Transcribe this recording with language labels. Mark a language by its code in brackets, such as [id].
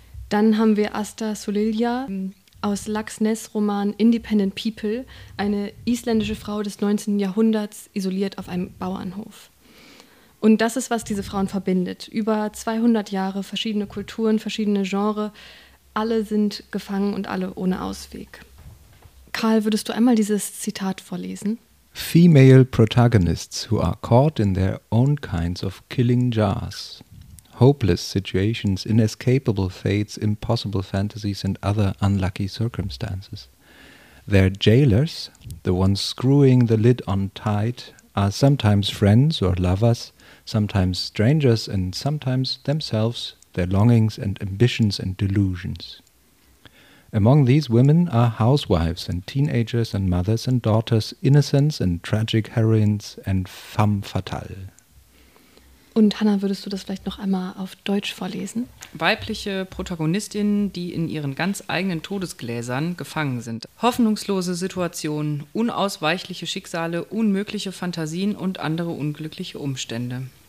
[de] Dann haben wir Asta Solilja aus Lax Ness Roman Independent People, eine isländische Frau des 19. Jahrhunderts, isoliert auf einem Bauernhof. Und das ist, was diese Frauen verbindet. Über 200 Jahre, verschiedene Kulturen, verschiedene Genres, alle sind gefangen und alle ohne Ausweg. Karl, würdest du einmal dieses Zitat vorlesen? [en] Female protagonists who are caught in their own kinds of killing jars. Hopeless situations, inescapable fates, impossible fantasies and other unlucky circumstances. Their jailers, the ones screwing the lid on tight, are sometimes friends or lovers, sometimes strangers and sometimes themselves, their longings and ambitions and delusions. Among these women are housewives and teenagers and mothers and daughters, innocents and tragic heroines and femme fatale. [de] Und Hannah, würdest du das vielleicht noch einmal auf Deutsch vorlesen? Weibliche Protagonistinnen, die in ihren ganz eigenen Todesgläsern gefangen sind. Hoffnungslose Situationen, unausweichliche Schicksale, unmögliche Fantasien und andere unglückliche Umstände.